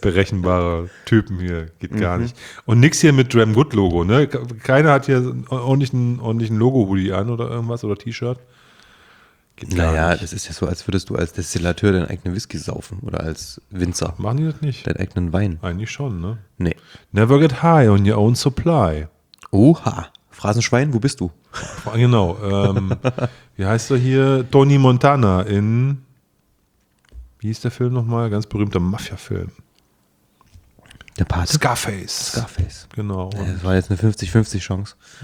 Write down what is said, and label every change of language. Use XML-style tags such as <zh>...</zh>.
<de>Berechenbare Typen hier, geht gar nicht. Und nix hier mit Dram Good Logo, ne? Keiner hat hier ordentlichen Logo-Hoodie an oder irgendwas oder T-Shirt. Geht gar nicht. Das ist ja so, als würdest du als Destillateur deinen eigenen Whisky saufen oder als Winzer. Machen die das nicht? Deinen eigenen Wein. Eigentlich schon, ne? Nee.</de> <en>Never get high on your own supply.</en> <de>Oha. Phrasenschwein, wo bist du? Genau. wie heißt er hier? Tony Montana in. Wie hieß der Film nochmal? Ganz berühmter Mafia-Film. Der Pate? Scarface. Genau. Das war jetzt eine 50-50-Chance.</de>